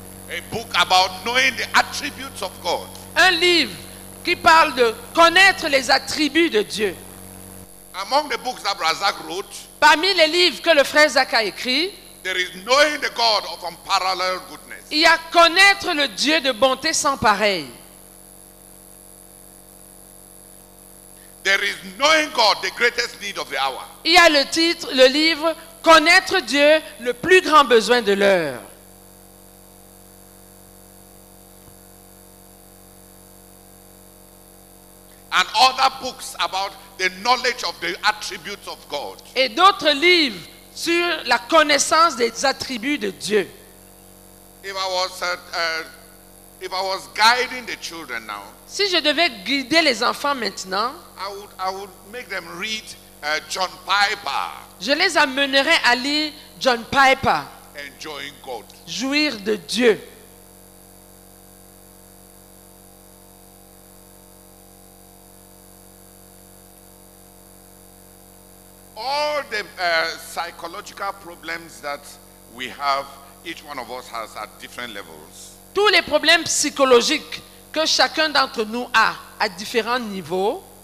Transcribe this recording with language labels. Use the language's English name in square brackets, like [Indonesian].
[English] A book about knowing the attributes of God. [French] Un livre qui parle de connaître les attributs de Dieu. [English] Among the books that Razak wrote, [French] parmi les livres que le frère Zach a écrit, [English] there is knowing the God of unparalleled goodness. [French] Il y a connaître le Dieu de bonté sans pareil. [English] There is knowing God, the greatest need of the hour. [French] Il y a le titre, le livre Connaître Dieu, le plus grand besoin de l'heure. [English] And other books about the knowledge of the attributes of God. [French] Et d'autres livres sur la connaissance des attributs de Dieu. [English] If I was guiding the children now, [French] si je devais guider les enfants maintenant, [English] I would make them read John Piper. [French] Je les amènerais à lire John Piper. [English] Enjoying God. [French] Jouir de Dieu. [English] All the psychological problems that we have, each one of us has at different levels. [French] Tous les problèmes psychologiques que chacun d'entre nous a à différents niveaux.